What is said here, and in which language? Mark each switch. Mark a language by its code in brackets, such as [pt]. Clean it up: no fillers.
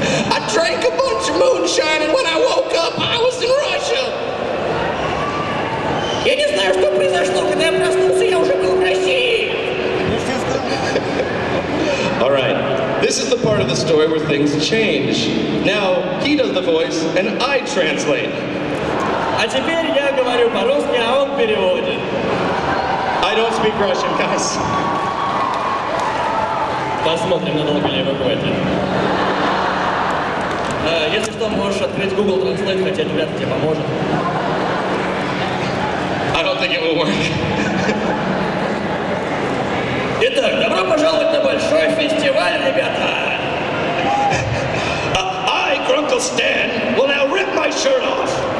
[en] I drank a bunch of moonshine, and when I woke up, I was in Russia! [ru] Я не знаю, что произошло, когда я проснулся, я уже был в России! [en] Alright, this is the part of the story where things change. Now, he does the voice, and I translate. [ru] А теперь я говорю по-русски, а он переводит. [en] I don't speak Russian, guys. [ru] Посмотрим, надолго ли вы будете. Если что, можешь открыть Google Translate, хотя это вряд ли тебе поможет. [en] I don't think it will work. [ru] Итак, добро пожаловать на большой фестиваль, ребята! [en] I, Grunkle Stan, will now rip my shirt off.